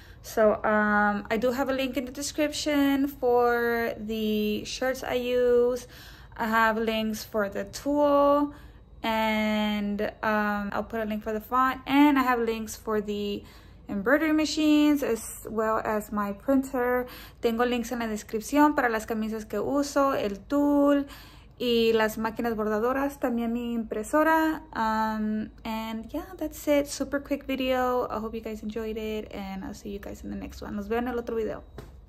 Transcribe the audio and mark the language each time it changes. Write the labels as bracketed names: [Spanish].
[English] So I do have a link in the description for the shirts I use. I have links for the tulle, and I'll put a link for the font, and I have links for the embroidery machines as well as my printer. [Spanish] Tengo links en la descripción para las camisas que uso, el tulle y las máquinas bordadoras, también mi impresora. [English] And yeah, that's it. Super quick video. I hope you guys enjoyed it, and I'll see you guys in the next one. [Spanish] Nos vemos en el otro video.